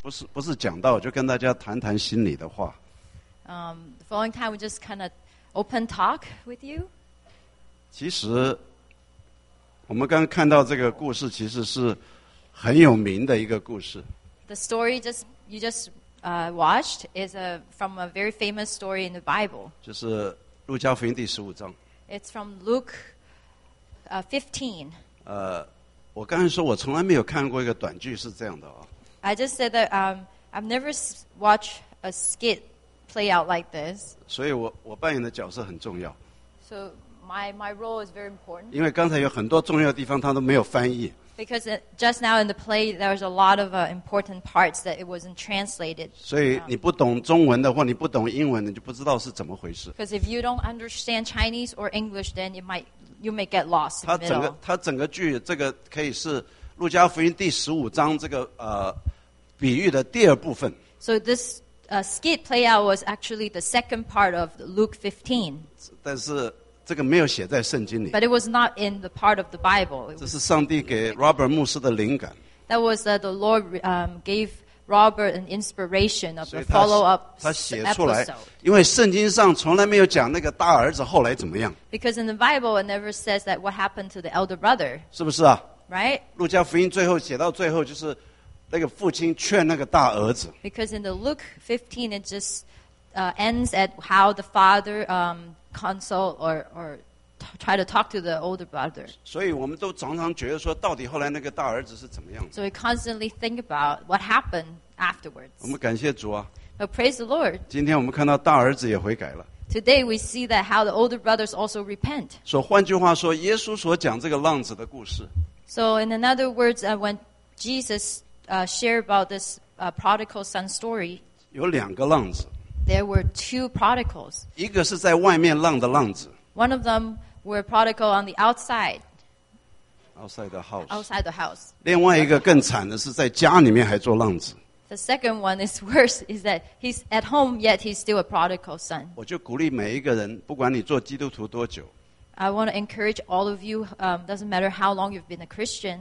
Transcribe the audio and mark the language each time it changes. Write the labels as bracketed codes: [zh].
[zh] 不是讲道，就跟大家谈谈心里的话。 [en] The following time we just kind of open talk with you. [zh] 其实我们刚看到这个故事其实是很有名的一个故事。 [en] The story just you just watched is a from a very famous story in the Bible. [zh] 就是路加福音第十五章。 [en] It's from Luke 15. [zh] 我刚才说我从来没有看过一个短剧是这样的啊。 [en] I just said that I've never watched a skit play out like this. [zh] 所以我扮演的角色很重要。 [en] So my role is very important. [zh] 因为刚才有很多重要的地方他都没有翻译。 [en] Because just now in the play there was a lot of important parts that it wasn't translated. [zh] 所以你不懂中文的或你不懂英文你就不知道是怎么回事。 [en] Because if you don't understand Chinese or English then you may get lost. [zh] 他整个剧这个可以是路加福音第十五章这个比喻的第二部分。 [en] So this skit play out was actually the second part of Luke 15. [zh] 但是这个没有写在圣经里。 [en] But it was not in the part of the Bible. [zh] 这是上帝给 Robert 牧师的灵感。 [en] That was the Lord gave Robert an inspiration of the follow-up episode. [zh] 他写出来，因为圣经上从来没有讲那个大儿子后来怎么样。 [en] Because in the Bible it never says that what happened to the elder brother. [zh] 是不是啊？ [en] Right? [zh] 路加福音最后写到最后就是那个父亲劝那个大儿子。 [en] Because in the Luke 15, it just ends at how the father consult or try to talk to the older brother. [zh] 所以我们都常常觉得说到底后来那个大儿子是怎么样的。 [en] So we constantly think about what happened afterwards. [zh] 我们感谢主啊。 [en] But praise the Lord. [zh] 今天我们看到大儿子也悔改了。 [en] Today we see that how the older brothers also repent. [zh] 所以换句话说耶稣所讲这个浪子的故事。 [en] So in other words, when Jesus shared about this prodigal son story, [zh] 有两个浪子。 [en] There were two prodigals. [zh] 一个是在外面浪的浪子。 [en] One of them were prodigal on the outside. Outside the house. Outside the house. [zh] 另外一个更惨的是在家里面还做浪子。 [en] The second one is worse, is that he's at home yet he's still a prodigal son. [zh] 我就鼓励每一个人，不管你做基督徒多久。 [en] I want to encourage all of you, doesn't matter how long you've been a Christian,